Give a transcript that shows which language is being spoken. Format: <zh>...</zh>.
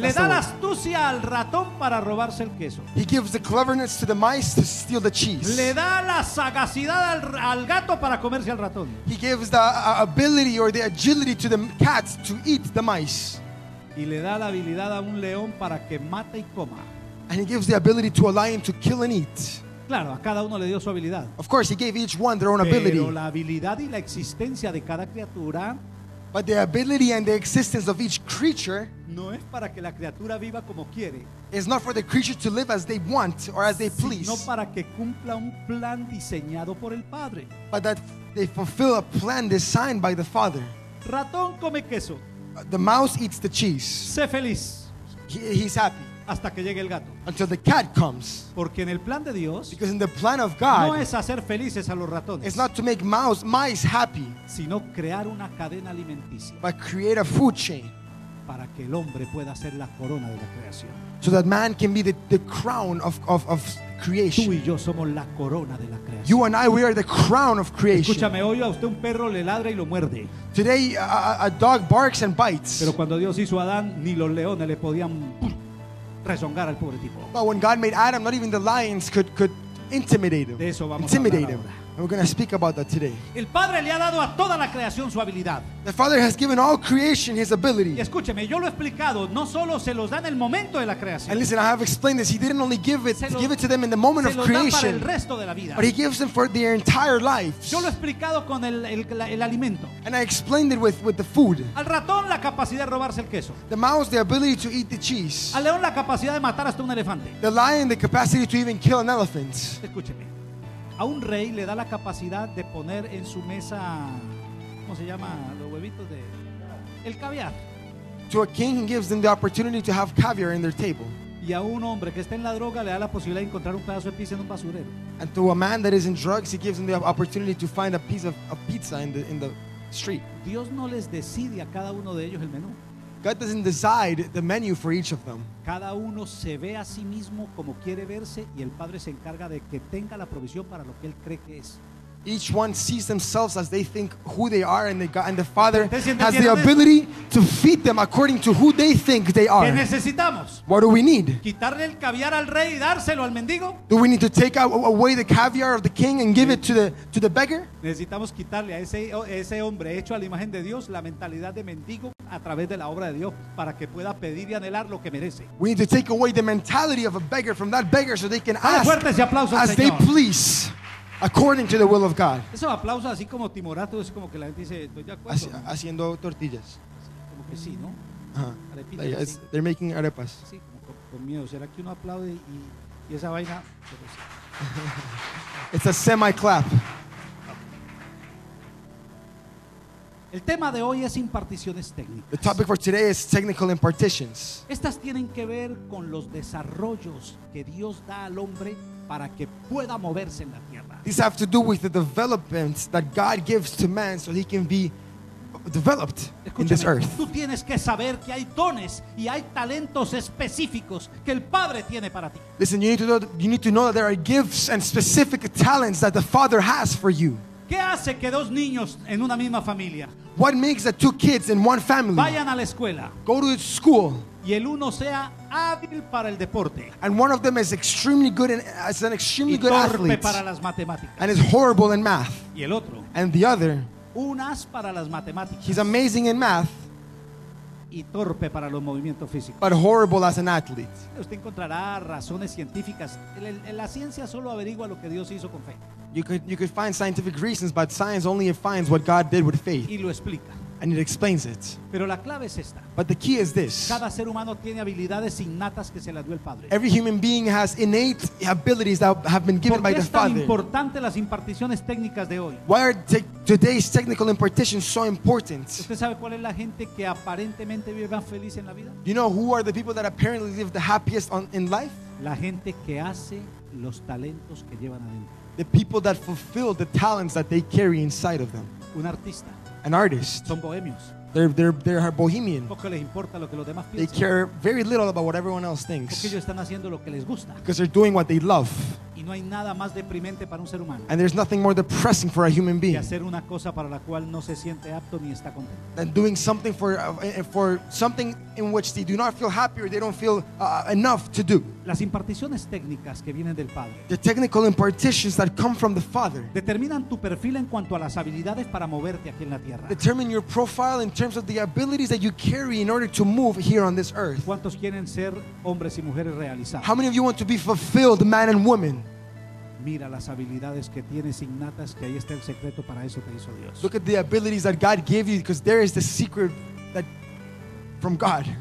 <es>Le da la astucia al ratón para robarse el queso.</es> <en>He gives the cleverness to the mice to steal the cheese.</en> <es>Le da la sagacidad al gato para comerse al ratón.</es> <en>He gives the ability or the agility to the cat to eat the mice.</en> <es>Y le da la habilidad a un león para que mate y coma.</es> <en>And he gives the ability to a lion to kill and eat.</en> <es>Claro, a cada uno le dio su habilidad.</es> <en>Of course, he gave each one their own ability.</en> <es>Pero la habilidad y la existencia de cada criatura,</es> <en>but the ability and the existence of each creature,</en> <es>no es para que la criatura viva como quiere.</es> <en>It's not for the creature to live as they want or as they please.</en> <es>Sino para que cumpla un plan diseñado por el Padre.</es> <en>But that they fulfill a plan designed by the Father.</en> <es>Ratón come queso.</es> <en>The mouse eats the cheese.</en> <es>Sé feliz.</es> <en>He's happy.</en> <es>Hasta que llegue el gato.</es> <en>Until the cat comes.</en> <es>Porque en el plan de Dios,</es> <en>because in the plan of God,</en> <es>no es hacer felices a los ratones.</es> <en>It's not to make mice happy.</en> <es>Sino crear una cadena alimenticia.</es> <en>But create a food chain.</en> <es>Para que el hombre pueda ser la corona de la creación.</es> <en>So that man can be the crown of creation.</en> <es>Tú y yo somos la corona de la creación.</es> <en>You and I, we are the crown of creation.</en> <es>Escúchame, hoy a usted un perro le ladra y lo muerde.</es> <en>Today a dog barks and bites.</en> <es>Pero cuando Dios hizo a Adán, ni los leones le podían rezongar al pobre tipo.</es> <en>But when God made Adam, not even the lions could intimidate him.</en> <es>De eso vamos</es> <en>intimidate a him. And we're going to speak about that today.</en> <es>El Padre le ha dado a toda la creación su habilidad.</es> <en>The Father has given all creation his ability.</en> <es>Y escúcheme, yo lo he explicado, no solo se los da en el momento de la creación.</es> <en>And listen, I have explained this. He didn't only give it to them in the moment of creation.</en> <es>Se los da para el resto de la vida.</es> <en>But he gives them for their entire lives.</en> <es>Yo lo he explicado con el alimento.</es> <en>And I explained it with the food.</en> <es>Al ratón la capacidad de robarse el queso.</es> <en>The mouse the ability to eat the cheese.</en> <es>Al león la capacidad de matar hasta un elefante.</es> <en>The lion the capacity to even kill an elephant.</en> <es>Escúcheme. A un rey le da la capacidad de poner en su mesa, ¿cómo se llama? Los huevitos de el caviar.</es> <en>To a king gives them the opportunity to have caviar in their table.</en> <es>Y a un hombre que está en la droga le da la posibilidad de encontrar un pedazo de pizza en un basurero.</es> <en>And to a man that is in drugs, he gives them the opportunity to find a piece of pizza in the street.</en> <es>Dios no les decide a cada uno de ellos el menú.</es> <en>God doesn't decide the menu for each of them.</en> <es>Cada uno se ve a sí mismo como quiere verse y el Padre se encarga de que tenga la provisión para lo que él cree que es.</es> <en>Each one sees themselves as they think who they are, and the Father has the ability to feed them according to who they think they are.</en> <es>¿Qué necesitamos?</es> <en>What do we need?</en> <es>¿Quitarle el caviar al rey y dárselo al mendigo?</es> <en>Do we need to take away the caviar of the king and give it to the beggar?</en> <es>Necesitamos quitarle a ese hombre hecho a la imagen de Dios la mentalidad de mendigo a través de la obra de Dios para que pueda pedir y anhelar lo que merece.</es> <en>We need to take away the mentality of a beggar from that beggar so they can ask</en> <es>fuertes y aplausos,</es> <en>as</en> <es>Señor.</es> <en>They please. According to the will of God.</en> <es>Eso aplauso así como timorato, es como que la gente dice, estoy de acuerdo. Haciendo tortillas. Como que sí, ¿no? Arepitas.</es> <en>Like,</en> <es>sí.</es> <en>They're making arepas.</en> <es>Sí, como con miedo. ¿Será que uno aplaude y esa vaina? Sí.</es> <en>It's a semi-clap.</en> <es>El tema de hoy es imparticiones técnicas.</es> <en>The topic for today is technical impartitions.</en> <es>Estas tienen que ver con los desarrollos que Dios da al hombre para que pueda moverse en la tierra.</es> <en>These have to do with the developments that God gives to man so he can be developed.</en> <es>Escúchame,</es> <en>in this earth.</en> <es>Tú tienes que saber que hay dones y hay talentos específicos que el Padre tiene para ti.</es> <en>Listen, you need to know that there are gifts and specific talents that the Father has for you.</en> <es>¿Qué hace que dos niños en una misma familia?</es> <en>What makes the two kids in one family?</en> <es>Vayan a la escuela.</es> <en>Go to school.</en> <es>Y el uno sea hábil para el deporte.</es> <en>And one of them is extremely good and is an extremely good athlete.</en> <es>Y torpe para las matemáticas.</es> <en>And is horrible in math.</en> <es>Y el otro.</es> <en>And the other.</en> <es>Un as para las matemáticas.</es> <en>He's amazing in math.</en> <es>Y torpe para los movimientos físicos.</es> <en>But horrible as an athlete.</en> <es>Usted encontrará razones científicas. La ciencia solo averigua lo que Dios hizo con fe.</es> <en>You could find scientific reasons, but science only finds what God did with faith.</en> <es>Y lo explica.</es> <en>And it explains it.</en> <es>Pero la clave es esta.</es> <en>But the key is this.</en> <es>Cada ser humano tiene habilidades innatas que se las dio el Padre.</es> <en>Every human being has innate abilities that have been given by the Father.</en> <es>¿Por qué es tan importante las imparticiones técnicas de hoy?</es> <en>Why are today's technical impartitions so important?</en> <es>¿Usted sabe cuál es la gente que aparentemente vive más feliz en la vida?</es> <en>You know who are the people that apparently live the happiest in life?</en> <es>La gente que hace los talentos que llevan adentro.</es> <en>The people that fulfill the talents that they carry inside of them.</en> <es>Un artista.</es> <en>An artist.</en> <es>Son bohemios.</es> <en>They're bohemian.</en> <es>Porque les importa lo que los demás piensan.</es> <en>They care very little about what everyone else thinks.</en> <es>Porque ellos están haciendo lo que les gusta.</es> <en>Because they're doing what they love.</en> <es>Y no hay nada más deprimente para un ser humano.</es> <en>And there's nothing more depressing for a human being.</en> <es>Que hacer una cosa para la cual no se siente apto ni está contento.</es> <en>Than doing something for something in which they do not feel happy or they don't feel enough to do.</en> <es>Las imparticiones técnicas que vienen del Padre.</es> <en>The technical impartitions that come from the Father.</en> <es>Determinan tu perfil en cuanto a las habilidades para moverte aquí en la tierra.</es> <en>Determine your profile in terms of the abilities that you carry in order to move here on this earth.</en> <es>¿Cuántos quieren ser hombres y mujeres realizados?</es> <en>How many of you want to be fulfilled, man and woman?</en> <es>Mira las habilidades que tienes innatas, que ahí está el secreto para eso que hizo Dios.</es> <en>Look at the abilities that God gave you, because there is the secret that from God.</en>